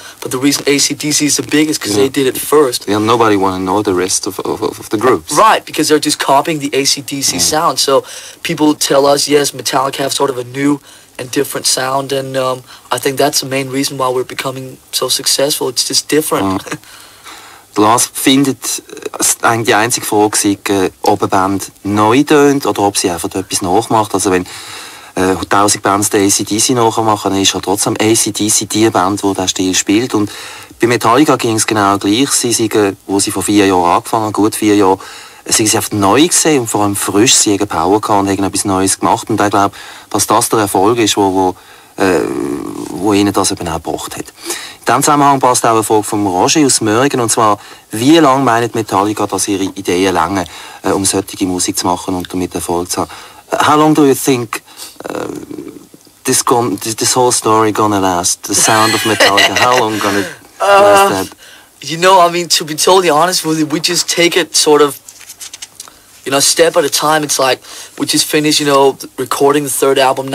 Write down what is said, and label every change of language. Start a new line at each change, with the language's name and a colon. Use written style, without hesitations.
English: But the reason AC/DC is the biggest is because they did it first. Yeah, nobody want to know the rest of the groups. Right, because they're just copying the AC/DC sound. So people tell us, yes, Metallica have sort of a new and different sound. And I think that's the main reason why we're becoming so successful. It's just different.
German: Lars findet, eigentlich die einzige Frage sei, ob eine Band neu tönt oder ob sie einfach etwas nachmacht. Also wenn 1000 Bands den AC/DC nachmachen, dann ist halt trotzdem AC/DC die Band, die diesen Stil spielt. Und bei Metallica ging es genau gleich. Sie sind, wo sie vor 4 Jahren angefangen, gut 4 Jahre, sie einfach neu gesehen und vor allem frisch, sie haben Power gehabt und haben etwas Neues gemacht. Und ich glaube, dass das der Erfolg ist, wo ihnen das eben auch gebracht hat. In diesem Zusammenhang passt auch eine Frage von Roger aus Möhringen, und zwar, wie lange meint Metallica, dass ihre Ideen länger, um solche Musik zu machen und damit Erfolg zu haben?
English: How long do you think this whole story gonna last? The sound of Metallica, how long gonna last that? You know, I mean, to be totally honest with you, we just take it sort of, you know, step at a time. It's like, we just finished, you know, recording the third album.